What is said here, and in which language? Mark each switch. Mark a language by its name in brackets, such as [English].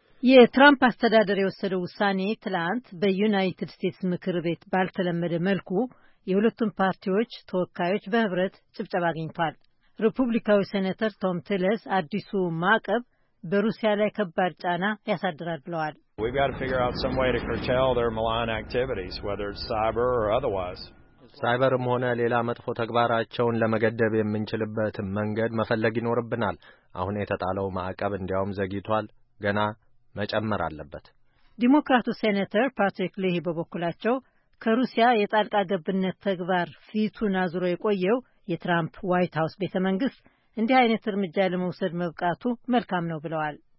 [Amharic] የትራምፕ አስተዳደር የወሰደው ውሳኔ ትላንት በዩናይትድ ስቴትስ ምክር ቤት ባልተለመደ መልኩ የሁለቱም ፓርቲዎች ተወካዮች በህብረት ጭብጨባ አግኝቷል። ሪፑብሊካዊ ሴኔተር ቶም ቲለስ አዲሱ ማዕቀብ በሩሲያ ላይ ከባድ ጫና ያሳድራል ብለዋል። [English] We've got to figure out some way to curtail their malign activities, whether it's cyber or otherwise. [Amharic] ሳይበርም ሆነ ሌላ መጥፎ ተግባራቸውን ለመገደብ የምንችልበት መንገድ መፈለግ ይኖርብናል። አሁን የተጣለው ማዕቀብ እንዲያውም ዘግይቷል ገና መጨመር አለበት። ዲሞክራቱ ሴኔተር ፓትሪክ ሊሂ በበኩላቸው ከሩሲያ የጣልቃ ገብነት ተግባር ፊቱን አዙሮ የቆየው የትራምፕ ዋይት ሃውስ ቤተ መንግስት እንዲህ አይነት እርምጃ ለመውሰድ መብቃቱ መልካም ነው ብለዋል።